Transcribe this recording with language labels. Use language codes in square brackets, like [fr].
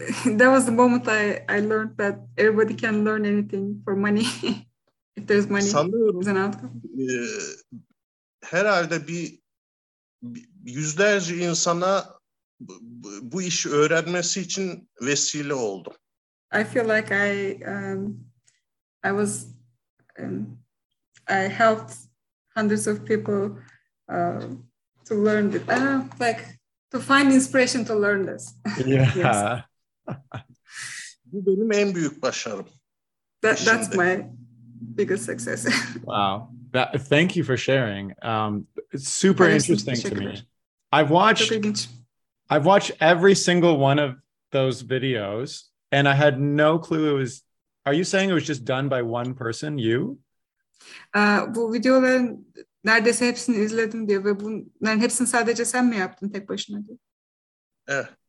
[en] That was the moment I learned that everybody can learn anything for money. If there's money, [tr] sanıyorum, [en] is an outcome. [tr] Herhalde bir yüzlerce insana bu işi öğrenmesi için vesile oldum. [en] I feel like I I was, I helped hundreds of people to learn it, like to find inspiration to learn this. Yeah. [tr] Bu benim en büyük başarım. [en] That's my biggest success. Wow. Thank you for sharing. It's super interesting to me. I've watched every single one of those videos, and I had no clue it was. Are you saying it was just done by one person? You? [tr] Bu videoların neredeyse hepsini izledim diyor ve bunların hepsini sadece sen mi yaptın tek başına diyor.